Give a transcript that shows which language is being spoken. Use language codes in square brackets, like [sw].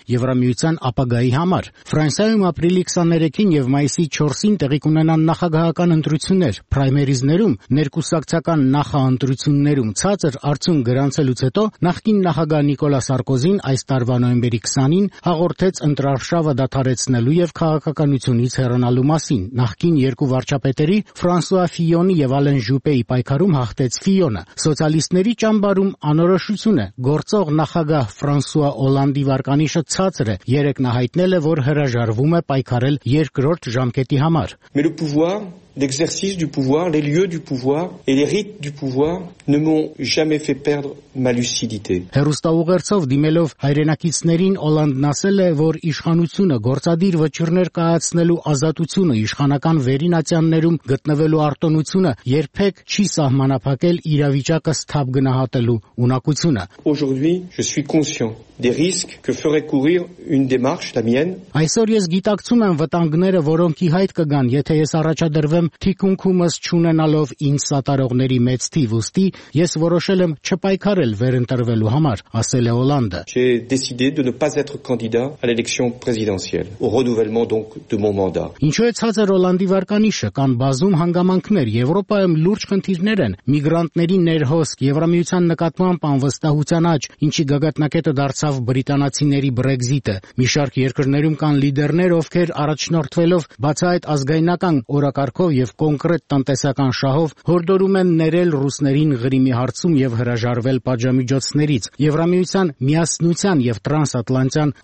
[hy] Եվրամիության ապագայի համար։ Ֆրանսիայում ապրիլի 23-ին և մայիսի 4-ին տեղի կունենան նախագահական ընտրություններ, պրայմերիզներում, ներկուսակցական նախաընտրություններում ցածր արդյունք գրանցելուց հետո նախկին նախագահ Նիկոլա Սարկոզին այս տարվա նոյեմբերի 20-ին հաղորդեց ընտրարշավը դադարեցնելու և քաղաքականությունից հեռանալու մասին։ Նախկին երկու վարչապետերի Ֆրանսուա Ֆիոնի և Ալեն Ժուպե Պեի պայքարում հաղթեց Ֆիոնը, սոցիալիստների ճամբարում անորոշությունը, գործող նախագահ Ֆրանսուա Օլանդի վարկանիշը ցածր է, երեկ նա հայտնել է, որ հրաժարվում է պայքարել երկրորդ ժամկետի համար։ [fr] D'exercice du pouvoir, les lieux du pouvoir et les rites du pouvoir ne m'ont jamais fait perdre ma lucidité. [hy] Հերուստաուղերձով դիմելով հայրենակիցներին Օլանդն ասել է, որ իշխանությունը գործադիր վճիռներ կայացնելու ազատությունը, իշխանական վերինացյալներում գտնվելու արտոնությունը երբեք չի սահմանափակել իրավիճակը ստապ գնահատելու ունակությունը։ [fr] Aujourd'hui, je suis conscient des risques que ferait courir une démarche la mienne. [hy] Այսօր ես գիտակցում եմ վտանգները, որոնք իհայտ կգան, եթե ես առաջադրվեմ թիկունքումս չունենալով ինձ սատարողների մեծ թիվ, ուստի ես որոշել եմ չպայքարել վերընտրվելու համար, ասել է Օլանդը։ [fr] J'ai décidé de ne pas être candidat à l'élection présidentielle, au renouvellement donc de mon mandat. [hy] Ինչու է ցածր Օլանդի վարկանիշը, կան բազում հանգամանքներ, Եվրոպայում լուրջ խնդիրներ են, միգրանտների ներհոսք, Եվրամիության նկատմամբ անվստահության աճ, ինչի գագաթնակետը դարձավ բրիտանացիների Brexit-ը։ Մի շարք երկրներում կան լիդերներ, ովքեր առաջնորդվելով բաց այդ ազգայնական օրակարգով եւ կոնկրետ տնտեսական շահով հորդորում են ներել ռուսներին Ղրիմի հարցում եւ հրաժարվել պատժամիջոցներից։ Եվրամիության միասնության եւ տրանսատլանտյան